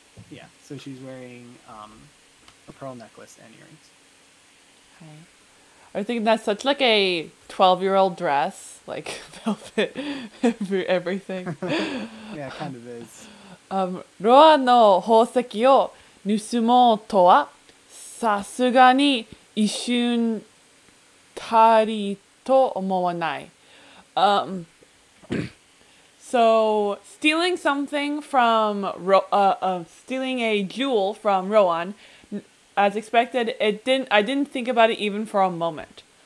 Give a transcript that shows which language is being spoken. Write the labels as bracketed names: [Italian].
[English] Yeah. So she's wearing a pearl necklace and earrings. Okay. I think that's such like a 12-year-old dress, like velvet everything. Yeah, it kind of is. [Japanese] ロアの宝石を盗もうとはさすがに一瞬たりと思わない。 [English] So stealing something from stealing a jewel from Rowan, as expected, I didn't think about it even for a moment.